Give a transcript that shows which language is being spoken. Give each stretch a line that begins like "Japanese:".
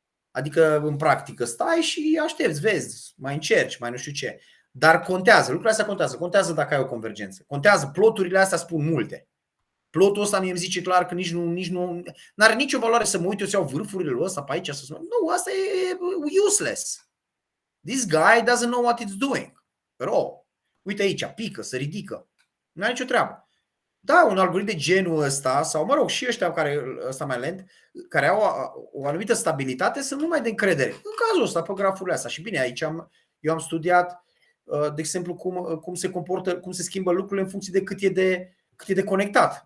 Romanian: Adică, în practică, stai și aștepți, vezi, mai încerci, mai nu știu ce. Dar contează, lucrurile astea contează. Contează dacă ai o convergență. Contează, ploturile astea spun multe. Plotul ăsta mie îmi zice clar că nici nu n-are nicio valoare să mă uit, eu să iau vârfurile ăsta pe aici. Nu, asta e useless.
English: This guy doesn't know what it's doing.
Romanian: Ro, uite aici, pică, se ridică. N-are nicio treabă. Da, un algoritm de genul ăsta, sau mă rog, și ăștia care, ăsta mai lent, care au o anumită stabilitate, sunt numai de încredere. În cazul ăsta, pe graful ăsta. Și bine, aici eu am studiat, de exemplu, cum se comportă, cum se schimbă lucrurile în funcție de cât e de conectat.